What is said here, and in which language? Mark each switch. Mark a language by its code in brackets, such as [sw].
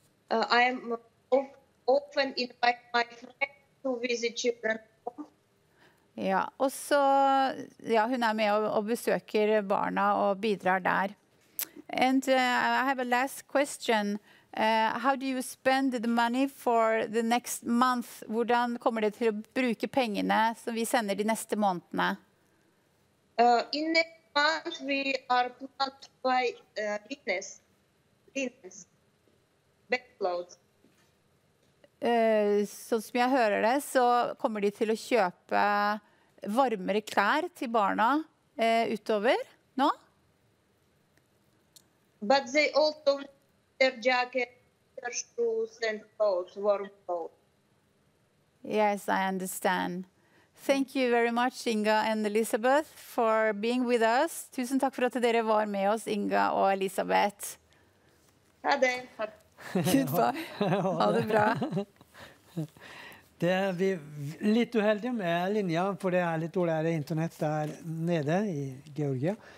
[en] I'm often invite my friend to visit children. [no] Ja, og så ja, hun er med og besøker barna og bidrar der. [en] And I have a last question. How do you spend the money for the next month? [no] Hvordan kommer det til å bruke pengene som vi sender de neste månedene? [en] In next month we are planning to buy linens, bedclothes. [no] Sånn som jeg hører det, så kommer de til å kjøpe varmere klær til barna utover nå? [en] But they also need their jacket, their shoes and clothes, warm clothes. Yes, I understand. Thank you very much, Inga and Elisabeth, for being with us. [no] Tusen takk for at dere var med oss, Inga og Elisabeth. Ha det. [en] Goodbye. [no] Ha det bra. Det er vi litt uheldige med linja, for det er litt dårligere internett der nede i Georgia.